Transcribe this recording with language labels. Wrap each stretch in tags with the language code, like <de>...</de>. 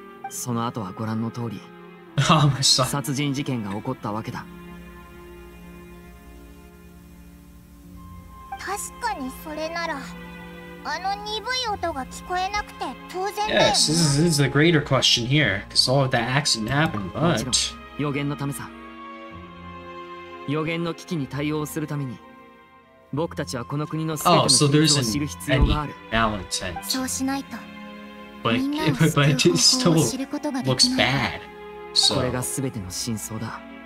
<ja>その後はご覧の通り。殺人事件が起こったわけだ。確かにそれなら、あの鈍い音が聞こえなくて当然だよ。</ja> <en>Yes, this is a greater question here, because all of that accident happened, but</en> <ja>予言のためさ。予言の危機に対応するために、僕たちはこの国の全ての秘密を知る必要がある。そうしないと、みんなを救う方法を知ることができない。これが全ての真相だ。</ja>